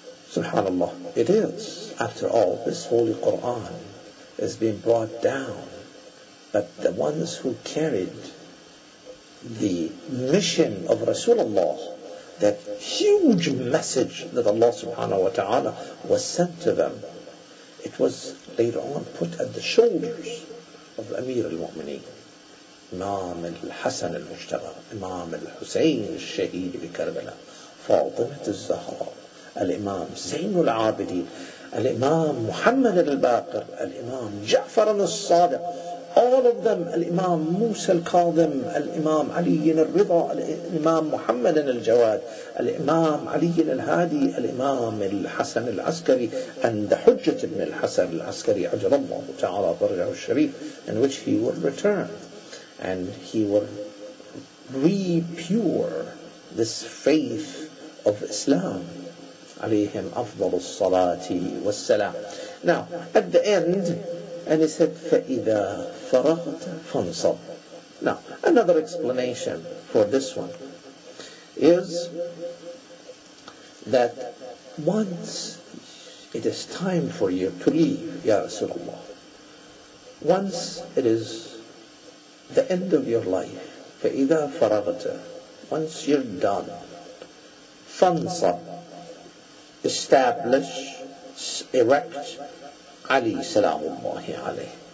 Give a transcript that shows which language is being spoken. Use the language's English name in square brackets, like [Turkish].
[English] SubhanAllah, it is. After all, this Holy Quran has been brought down, but the ones who carried the mission of Rasulullah, that huge message that Allah subhanahu wa ta'ala was sent to them, it was later on put at the shoulders of Amir al-Mu'mineen. [Arabic] إمام الحسن المجتبى، إمام الحسين الشهيد بكربلاء، فاطمة الزهراء، الإمام زين العابدين، الإمام محمد الباقر، الإمام جعفر الصادق، [English] all of them، [Arabic] الإمام موسى الكاظم، الإمام علي الرضا، الإمام محمد الجواد، الإمام علي الهادي، الإمام الحسن العسكري، عند حجة ابن الحسن العسكري عجل الله تعالى فرجه الشريف، [English] in which he will return and he will repure this faith of Islam. [Arabic] عليهم أفضل الصلاة والسلام. [English] Now at the end, and he said [Arabic] فإذا فرغت فانصب. [English] Now another explanation for this one is that once it is time for you to leave, [Arabic] يا رسول الله, [English] once it is the end of your life, [Arabic] فإذا فرغت, [English] once you're done, فانصب, establish, erect Ali salamullahi alayhi.